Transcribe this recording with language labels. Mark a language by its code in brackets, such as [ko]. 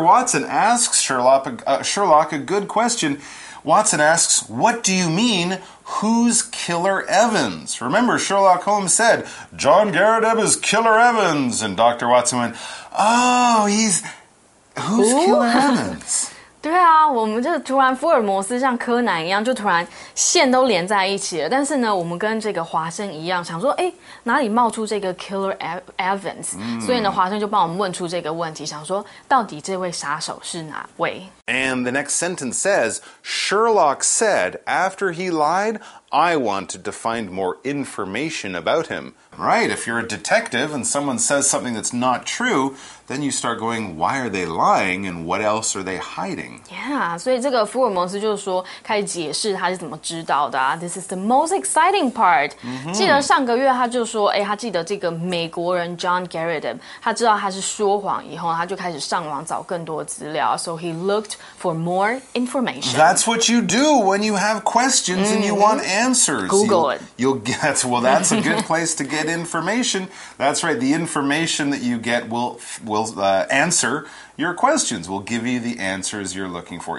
[en] Watson asks Sherlock a good question. Watson asks, what do you mean, who's Killer Evans? Remember, Sherlock Holmes said, John Garrodeb is Killer Evans. And Dr. Watson went, who's Killer Evans? [zh] 对啊，我们就突然福尔摩斯像柯南一样，就突然线都连在一起了。但是呢，我们跟这个华生一样，想说，哎，哪里冒出这个 Killer Evans？、Mm. 所以呢，华生就帮我们问出这个问题，想说到底这位杀手是哪位 [en] ？And the next sentence says, Sherlock said after he lied, I wanted to find more information about him. Right, if you're a detective and someone says something that's not true. Then you start going, why are they lying and what else are they hiding? [zh] Yeah, 所以这个福尔摩斯就是说开始解释他是怎么知道的啊。 [en] This is the most exciting part.、Mm-hmm. [zh] 记得上个月他就说、哎、他记得这个美国人 John Garrodeb, 他知道他是说谎以后他就开始上网找更多资料。 [en] So he looked for more information. That's what you do when you have questions、mm-hmm. and you want answers. Google you, it. You'll get, well, that's a good place to get information. That's right, the information that you get will answer your questions. We'll give you the answers you're looking for.